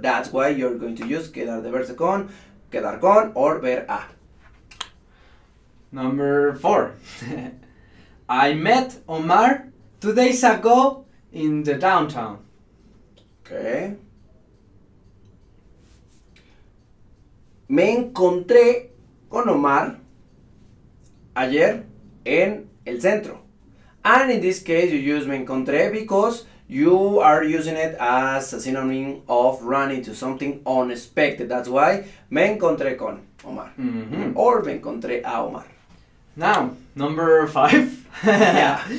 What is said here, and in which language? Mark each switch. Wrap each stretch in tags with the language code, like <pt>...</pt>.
<en>That's why you're going to use quedar de verse con, quedar con, or ver a. Number 4. I met Omar 2 days ago in the downtown. Okay.</en> <es>Me encontré con Omar ayer en el centro.</es> <en>And in this case, you use me encontré because you are using it as a synonym of running to something unexpected. That's why</en> <es>me encontré con Omar. Mm-hmm. Or me encontré a Omar.</es> <en>Now, number 5. Yeah.</en>